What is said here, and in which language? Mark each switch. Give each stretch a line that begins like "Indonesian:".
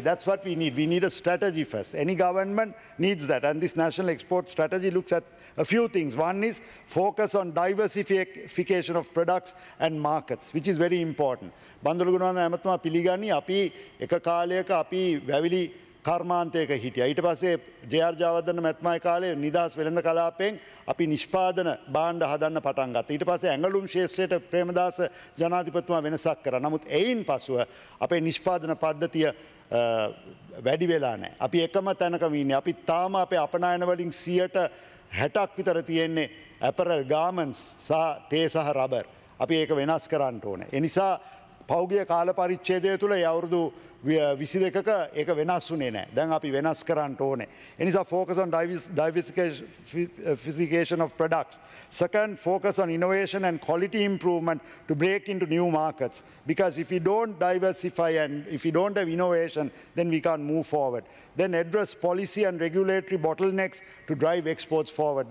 English: That's what we need. We need a strategy first. Any government needs that. And this national export strategy looks at a few things. One is focus on diversification of products and markets, which is very important.
Sinhala: Bandulu Gunawanda Ematuma Piligani, Api Ekakaleka, Api Vavili කර්මාන්තයක හිටියා. ඊට පස්සේ JR. Jayawardena මැතිමාගේ කාලේ නිදහස් වෙළඳ කලාපෙන් අපි නිෂ්පාදන භාණ්ඩ හදන්න පටන් ගත්තා. ඊට පස්සේ ඇඟලුම් ක්ෂේත්‍රයේ ප්‍රේමදාස ජනාධිපතිතුමා වෙනසක් කරා. නමුත් එයින් පසුව අපේ නිෂ්පාදන පද්ධතිය වැඩි වෙලා නැහැ. අපි එකම තැනක ඉන්නේ. අපි තාම අපේ අපනයන වලින් 60% විතර තියෙන්නේ ඇපරල් ගාමන්ට්ස් සහ තේ සහ රබර්. අපි ඒක වෙනස් කරන්න ඕනේ. ඒ නිසා පෞගිය කාල පරිච්ඡේදය තුළ අවුරුදු 22ක ඒක වෙනස් වුණේ නැහැ. දැන් අපි වෙනස් කරන්න ඕනේ. ඒ නිසා
English: focus on diversification of products. Second, focus on innovation and quality improvement to break into new markets. Because if we don't diversify and if we don't have innovation, then we can't move forward. Then address policy and regulatory bottlenecks to drive exports forward.